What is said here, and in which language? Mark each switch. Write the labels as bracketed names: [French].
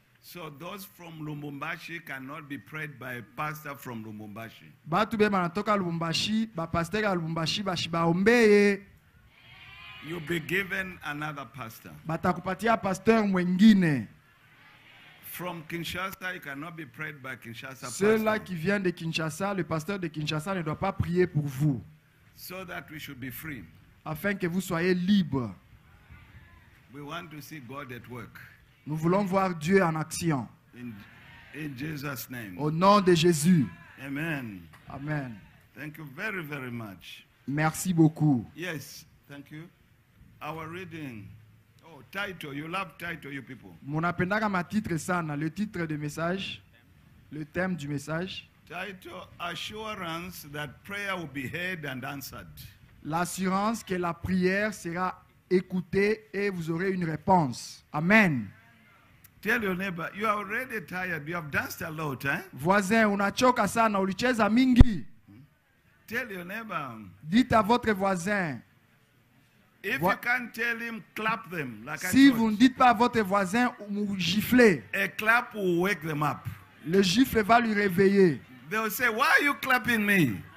[English] So those from Lubumbashi cannot be prayed by a pastor from Lubumbashi. [Swahili] Batube manatoka Lubumbashi, ba pasteur ya Lubumbashi bashiba ombeye. [English] You be given another pastor. [Swahili] Batakupatia pasteur mwingine. [English] From Kinshasa you cannot be prayed by Kinshasa pastor. [French] Celui-là qui vient de Kinshasa, le pasteur de Kinshasa ne doit pas prier pour vous. [English] So that we should be free. [French] afin que vous soyez libres. [English] We want to see God at work. [French] Nous voulons voir Dieu en action. [English] In Jesus name. [French] Au nom de Jésus. Amen. Amen. [English] Thank you very, very much. [French] Merci beaucoup. [English] Yes, thank you. Our reading. Oh, title. You love title, you people. [Swahili] Mon appendaga ma titre sana, [French] le titre de message, le thème du message. [English] Title: Assurance that prayer will be heard and answered. [French] L'assurance que la prière sera écoutée et vous aurez une réponse. Amen. [English] Tell your neighbor, you are already tired. You have danced a lot, eh? [Swahili] Voisin, unachoka sana, ulicheza mingi. [English] Tell your neighbor. [French] Dites à votre voisin. [English] If you can't tell him, clap them. Like [French] si vous ne dites pas à votre voisin, vous giflez. [English] A clap will wake them up. [French] Le gifle va lui réveiller. [English] They will say, why are you clapping me?